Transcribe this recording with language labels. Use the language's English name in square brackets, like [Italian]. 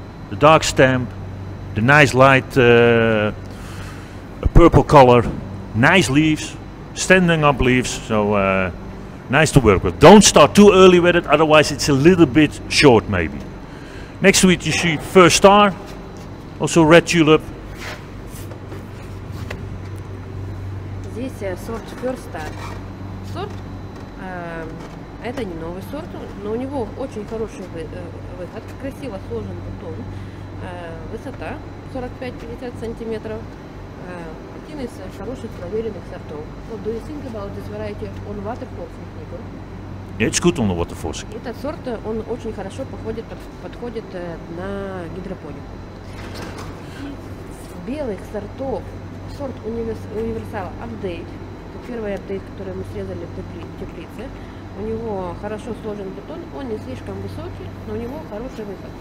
[English] The dark stamp, the nice light purple color, nice leaves, standing up leaves, so nice to work with. Don't start too early with it, otherwise it's a little bit short maybe. Next week you see First Star, also red tulip. This sort [Russian] First Star, [English] sort with [Russian] это не новый сорт, но у него очень хороший выход, красиво сложен бутон, высота 45-50 сантиметров, один из хороших проверенных сортов. [English] So, do you think about this variety on waterfossing, Igor? Yeah, it's good on the waterfossing. [Russian] Этот сорт, он очень хорошо подходит на гидропонику. Белых сортов, сорт универсал Update, это первый апдейт, который мы срезали в теплице. У него хорошо сложен бетон, он не слишком высокий, но у него хороший выход.